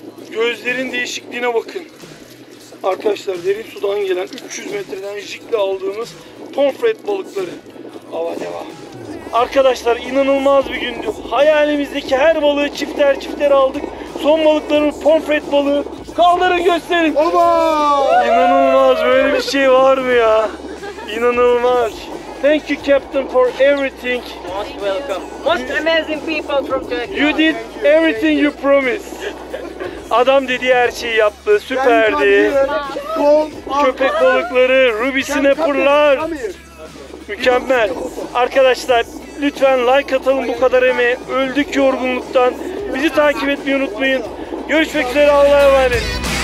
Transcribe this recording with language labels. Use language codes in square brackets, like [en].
[tr] Gözlerin değişikliğine bakın. Arkadaşlar derin sudan gelen 300 metreden jigle aldığımız pomfret balıkları. Ava devam! Arkadaşlar inanılmaz bir gündü. Hayalimizdeki her balığı çifter çifter aldık. Son balıkların pomfret balığı. Kaldırın gösterin. Oba! İnanılmaz böyle bir şey var mı ya? İnanılmaz. [en] Thank you captain for everything. Most welcome. Most amazing people from Turkey. You did everything you promised. [tr] Adam dediği her şeyi yaptı. Süperdi. Köpek balıkları Ruby Snapper'lar. Mükemmel. Arkadaşlar lütfen like atalım bu kadar emeğe. Öldük yorgunluktan. Bizi takip etmeyi unutmayın. Görüşmek üzere, Allah'a emanet.